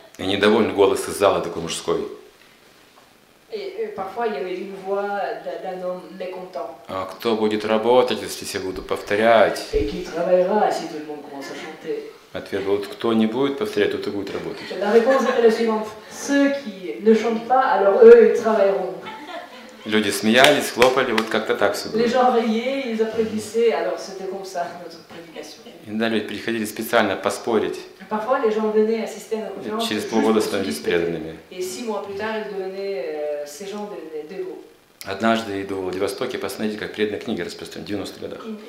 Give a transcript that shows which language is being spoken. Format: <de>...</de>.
<fr>Et</fr> <ru>недовольный голос из зала такой мужской.</ru> <fr>Et parfois il y avait une voix d'un homme mécontent.</fr> <ru>А кто будет работать, если все будут повторять?</ru> <fr>Et qui travaillera si tout le monde commence à chanter?</fr> <ru>Ответ был, кто не будет повторять, тот и будет работать.</ru> <fr>La réponse était la suivante. Ceux qui ne chantent pas, alors eux, ils travailleront.</fr> <ru>Люди смеялись, хлопали, вот как-то так все было.</ru> <fr>Les gens riaient, ils applaudissaient, alors c'était comme ça, notre prédication.</fr> <ru>Иногда люди приходили специально поспорить.</ru> <fr>Parfois, les gens venaient assister à la conférence.</fr> <ru>Через полгода становились преданными.</ru> <fr>Et six mois plus tard, ils devenaient ces gens des dévots.</fr> <ru>Однажды иду в Владивостоке, посмотрите, как преданные книги распространены в 90-х годах.</ru>